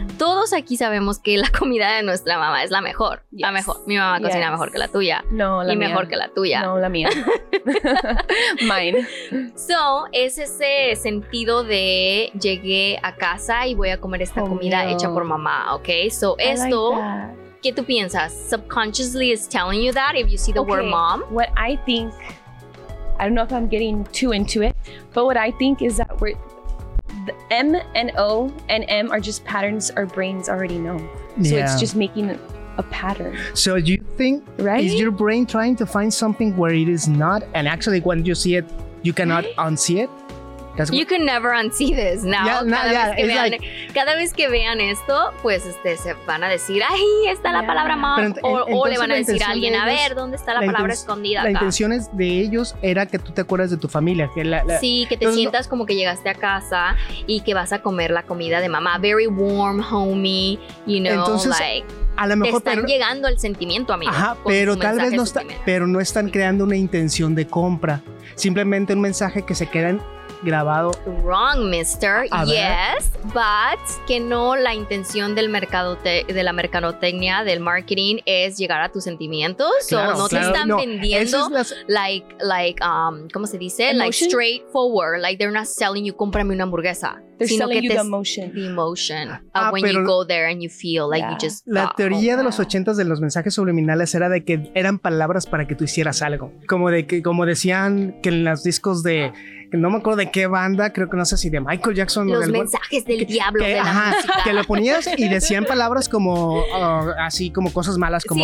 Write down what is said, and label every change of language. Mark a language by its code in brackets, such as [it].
[es] Todos aquí sabemos que la comida de nuestra mamá es la mejor. [en] Yes. [es] La mejor. Mi mamá cocina mejor que la tuya. No, la y mía. Y mejor que la tuya. No, la mía. Mine. So, es ese sentido de llegué a casa y voy a comer esta comida hecha por mamá, ¿ok? So, esto... ¿Qué tú piensas? [en] Subconsciously is telling you that if you see the word mom. What I think, I don't know if I'm getting too into it, but what I think is that we're the M and O and M are just patterns our brains already know. Yeah. So it's just making a pattern. So you think, right? Is your brain trying to find something where it is not? And actually when you see it, you cannot unsee it? You can never unsee this now. Yeah, [es] cada vez que vean esto, pues se van a decir, ahí está la palabra mom. O le van a decir a alguien, a ver, ¿dónde está la palabra escondida? La intención de ellos era que tú te acuerdas de tu familia. Que sientas como que llegaste a casa y que vas a comer la comida de mamá. [en] Very warm, homey, you know. [es] Entonces, a lo mejor te están llegando al sentimiento, amigo. Ajá, pero tal vez no está. Pero no están creando una intención de compra. Simplemente un mensaje que se queda en. Grabado. [en] Wrong, mister. Yes, but [es] que no la intención del mercado de la mercadotecnia, del marketing, es llegar a tus sentimientos. Claro, so, no claro, te están no. vendiendo es las... like, ¿cómo se dice? [en] Emotion? Like, straightforward. Like, they're not selling you, [es] cómprame una hamburguesa. [en] sino que te emotion. The emotion of when you go there and you feel like you just [es] la teoría de los 80s de los mensajes subliminales era de que eran palabras para que tú hicieras algo, como de que como decían que en los discos de no me acuerdo de qué banda, creo que no sé si de Michael Jackson los mensajes del diablo de la música, que lo ponías y decían palabras como así como cosas malas, como